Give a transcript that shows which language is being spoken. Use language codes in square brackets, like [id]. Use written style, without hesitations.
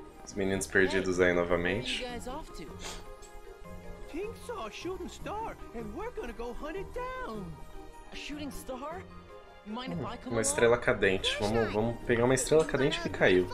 [pt] Os meninos perdidos aí novamente. [en] King saw a shooting star and we're gonna go hunt it down. A shooting star? [pt] Uma estrela cadente. Vamos pegar uma estrela cadente que caiu.